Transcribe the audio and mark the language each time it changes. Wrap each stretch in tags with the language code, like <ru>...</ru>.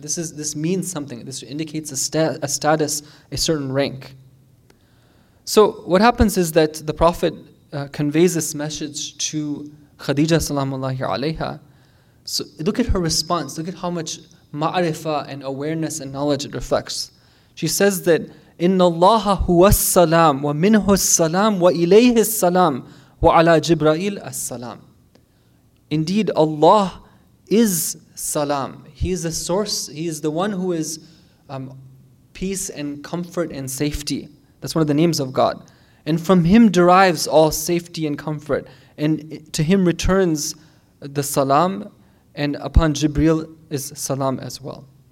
<en>This means something. This indicates a status, a certain rank. So what happens is that the Prophet conveys this message to Khadija salamullahi alayha. So look at her response. Look at how much ma'rifah and awareness and knowledge it reflects. She says that,</en> <ar>إِنَّ اللَّهَ هُوَ السَّلَامُ وَمِنْهُ السَّلَامُ وَإِلَيْهِ السَّلَامُ وَعَلَى جِبْرَائِيلَ السَّلَامُ.</ar> <en>Indeed, Allah is salam. He is the source. He is the one who is peace and comfort and safety. That's one of the names of God. And from him derives all safety and comfort. And to him returns the salam. And upon Jibreel is salam as well.</en>